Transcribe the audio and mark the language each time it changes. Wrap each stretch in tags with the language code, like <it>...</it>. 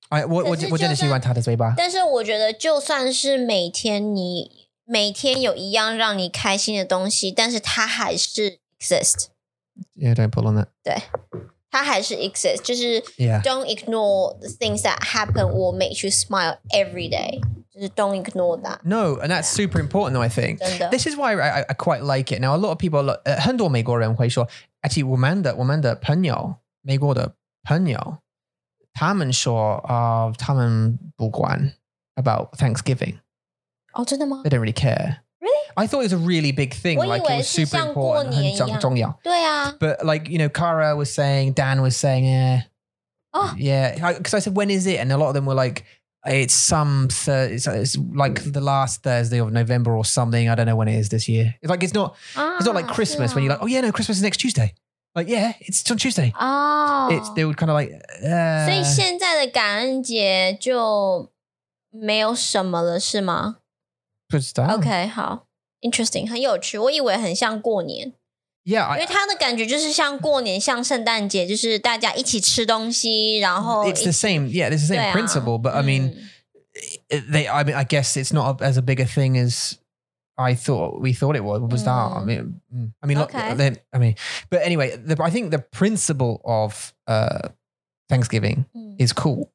<zh>我真的喜欢他的嘴巴。但是我觉得就算是每天你每天有一样让你开心的东西，但是他还是 exist.</zh> <en>Yeah, don't pull on that.</en> <zh>对。它还是</zh> <en>exist</en> <zh>就是</zh> <en>don't ignore the things that happen or make you smile every day Don't ignore that. No, and that's super important, though, I think. This is why I quite like it. Now, a lot of people,</en> <zh>很多美国人会说,</zh> <en>actually,</en> <zh>我们的朋友,美国的朋友,他们说, 他们不管</zh> <en>about Thanksgiving.</en> <zh>Oh, 真的吗?</zh> <en>They don't really care. Really? I thought it was a really big thing, like it was super important,</en> <zh>很重要.</zh> <en>对啊。 But like, you know, Kara was saying, Dan was saying, yeah. Oh. Yeah, because I said, when is it? And a lot of them were like,It's like the last Thursday of November or something. I don't know when it is this year. It's like, it's not like Christmas when you're like, oh yeah, no, Christmas is next Tuesday. Like, yeah, it's on Tuesday. Oh. They would kind of like,</en> <zh>So 现在的感恩节就没有什么了是吗? 不知道。 Okay, 好。</zh> <en>Interesting,</en> <zh>很有趣。我以为很像过年。</zh> <en>Yeah,</en> <zh>因为它的感觉就是像过年，像圣诞节，就是大家一起吃东西，然后</zh> <en>It's the same, yeah, it's the same principle. 啊、 but I mean,、嗯、they, I mean, I guess it's not as a bigger thing as I thought. We thought it was. What was、嗯、that? I mean, okay. I mean, but anyway, I think the principle of Thanksgiving、嗯、is cool.</en>